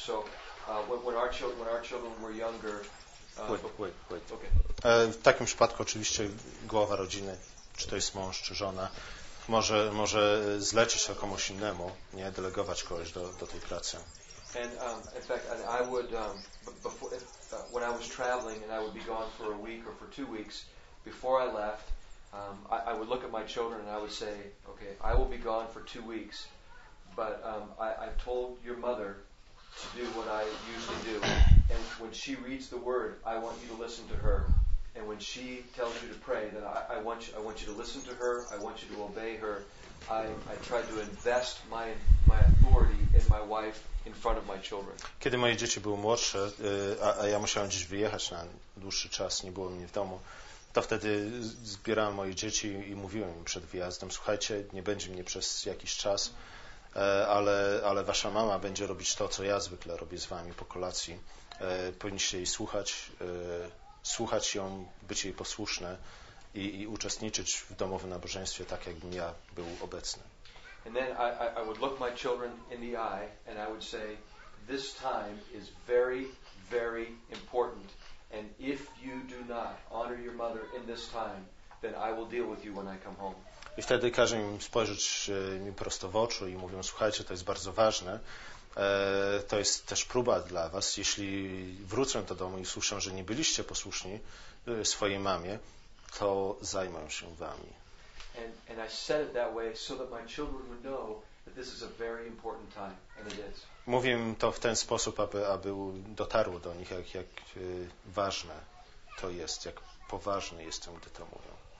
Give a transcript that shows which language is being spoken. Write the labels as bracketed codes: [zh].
[en] So when our children were younger, wait. Okay. [pl] W takim przypadku oczywiście głowa rodziny, czy to jest mąż, czy żona, może zlecić to komuś innemu, nie delegować kogoś do tej pracy. [en] And in fact, I would before when I was traveling and I would be gone for a week or for 2 weeks, before I left, I would look at my children and I would say, okay, I will be gone for 2 weeks, but I've told your mother to do what I usually do. And when she reads the word, I want you to listen to her. And when she tells you to pray, then I want you to listen to her. I want you to obey her. I try to invest my authority in my wife in front of my children. [pl] Kiedy moje dzieci były młodsze, a ja musiałem gdzieś wyjechać na dłuższy czas, nie było mnie w domu, to wtedy zbierałem moje dzieci i mówiłem im przed wyjazdem, słuchajcie, nie będzie mnie przez jakiś czas, ale wasza mama będzie robić to, co ja zwykle robię z wami po kolacji. Powinniście jej słuchać, słuchać ją, być jej posłuszne i uczestniczyć w domowym nabożeństwie tak, jakbym ja był obecny. [en] And then I would look my children in the eye and I would say, this time is very, very important. And if you do not honor your mother in this time, then I will deal with you when I come home. [pl] I wtedy każę im spojrzeć mi prosto w oczy i mówią, słuchajcie, to jest bardzo ważne. To jest też próba dla was. Jeśli wrócę do domu i słyszę, że nie byliście posłuszni swojej mamie, to zajmę się wami. [en] And I said it that way so that my children would know that this is a very important time, and it is. [pl] Mówię to w ten sposób, aby dotarło do nich, jak ważne to jest, jak poważny jestem, gdy to mówię.